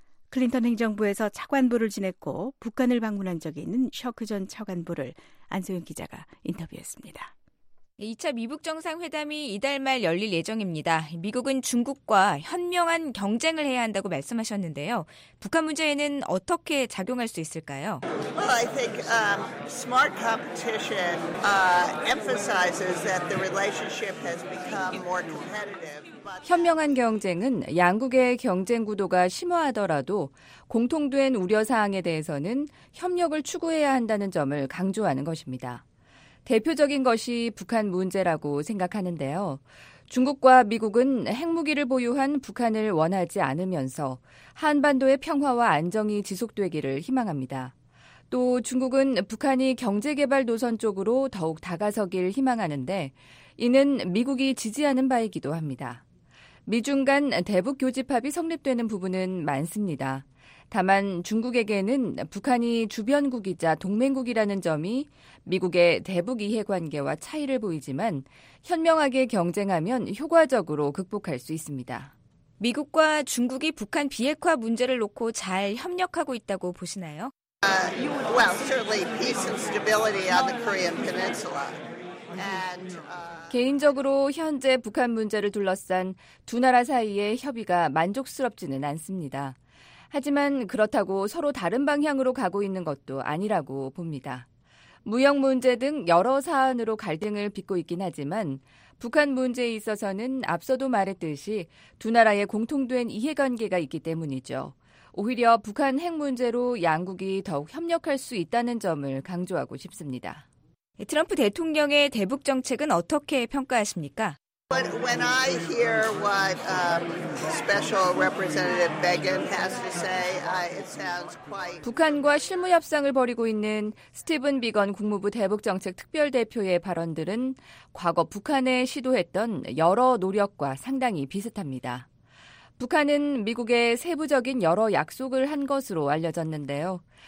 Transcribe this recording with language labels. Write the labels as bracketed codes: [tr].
[ko] 클린턴 행정부에서 차관보를 지냈고 북한을 방문한 적이 있는 셔크 전 차관보를 안소영 기자가 인터뷰했습니다. 2차 미북 정상회담이 이달 말 열릴 예정입니다. 미국은 중국과 현명한 경쟁을 해야 한다고 말씀하셨는데요. 북한 문제에는 어떻게 작용할 수 있을까요? [en] Well, I think smart competition emphasizes that the relationship has become more competitive. [ko] 현명한 경쟁은 양국의 경쟁 구도가 심화하더라도 공통된 우려 사항에 대해서는 협력을 추구해야 한다는 점을 강조하는 것입니다. 대표적인 것이 북한 문제라고 생각하는데요. 중국과 미국은 핵무기를 보유한 북한을 원하지 않으면서 한반도의 평화와 안정이 지속되기를 희망합니다. 또 중국은 북한이 경제개발 노선 쪽으로 더욱 다가서길 희망하는데 이는 미국이 지지하는 바이기도 합니다. 미중 간 대북 교집합이 성립되는 부분은 많습니다. 다만 중국에게는 북한이 주변국이자 동맹국이라는 점이 미국의 대북 이해관계와 차이를 보이지만 현명하게 경쟁하면 효과적으로 극복할 수 있습니다. 미국과 중국이 북한 비핵화 문제를 놓고 잘 협력하고 있다고 보시나요? [en] Well, certainly peace and stability on the Korean Peninsula. And, [ko] 개인적으로 현재 북한 문제를 둘러싼 두 나라 사이의 협의가 만족스럽지는 않습니다. 하지만 그렇다고 서로 다른 방향으로 가고 있는 것도 아니라고 봅니다. 무역 문제 등 여러 사안으로 갈등을 빚고 있긴 하지만 북한 문제에 있어서는 앞서도 말했듯이 두 나라의 공통된 이해관계가 있기 때문이죠. 오히려 북한 핵 문제로 양국이 더욱 협력할 수 있다는 점을 강조하고 싶습니다. 트럼프 대통령의 대북 정책은 어떻게 평가하십니까? [en] But when I hear what Special Representative Megan has to say, it sounds quite... [ko] 북한과 실무 협상을 벌이고 있는 스티븐 비건 국무부 대북정책특별대표의 발언들은 과거 북한에 시도했던 여러 노력과 상당히 비슷합니다. 북한은 미국에 세부적인 여러 약속을 한 것으로 알려졌는데요.